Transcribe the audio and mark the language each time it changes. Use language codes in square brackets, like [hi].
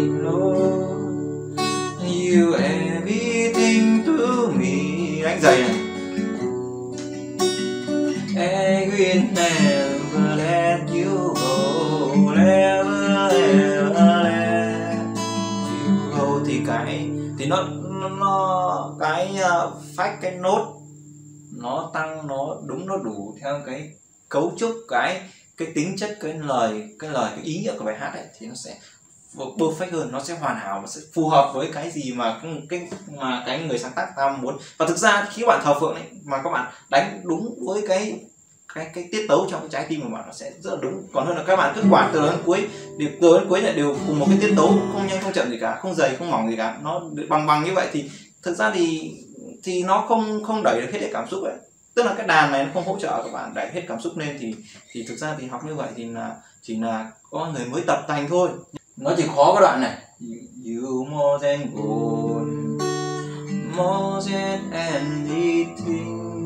[en] Lord, you everything to me. [vi] Đánh dày này. [en] I will never let you go, never ever let you go. [vi] Thì cái thì nó cái phách, cái nốt nó tăng, nó đúng, nó đủ theo cái cấu trúc, cái tính chất, cái lời cái ý nghĩa của bài hát ấy, thì nó sẽ perfect hơn, nó sẽ hoàn hảo, nó sẽ phù hợp với cái gì mà cái người sáng tác ta muốn. Và thực ra khi bạn thờ phượng ấy mà các bạn đánh đúng với cái tiết tấu trong cái trái tim của bạn, nó sẽ rất là đúng. Còn hơn là các bạn cứ quạt từ đầu đến cuối, từ đầu đến cuối lại đều cùng một cái tiết tấu, không nhanh không chậm gì cả, không dày không mỏng gì cả, nó bằng bằng như vậy thì thực ra thì nó không đẩy được hết cái cảm xúc ấy. Tức là cái đàn này nó không hỗ trợ các bạn đẩy hết cảm xúc lên, thì thực ra thì học như vậy thì là chỉ là có người mới tập thành thôi. Nó chỉ khó cái đoạn này. [en] You more than gold, more than anything.